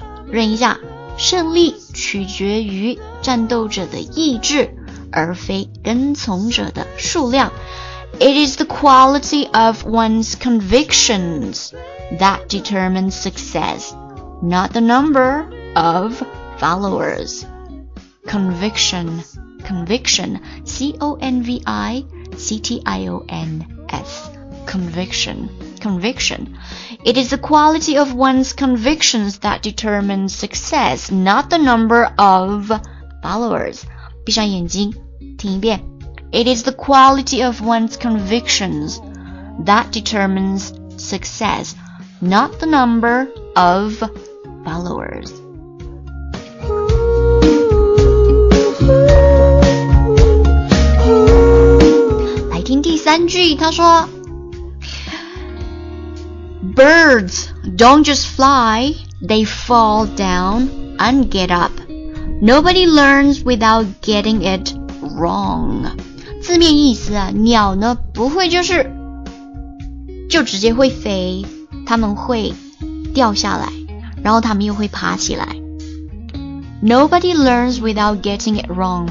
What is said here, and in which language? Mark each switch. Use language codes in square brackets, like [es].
[zh] 认一下，胜利取决于战斗者的意志而非跟从者的数量。 [en] It is the quality of one's convictions that determines success, not the number of followers. Conviction, C-O-N-V-I-C-T-I-O-N-S, conviction. It is the quality of one's convictions that determines success, not the number of followers. [zh] 闭上眼睛听一遍。 [en] It is the quality of one's convictions that determines success, not the number of followers. [zh] 来听第三句，他说 [en] Birds don't just fly, they fall down and get up. Nobody learns without getting itWrong. [zh] 字面意思啊，鸟呢不会就直接会飞，它们会掉下来，然后它们又会爬起来。 [en] Nobody learns without getting it wrong.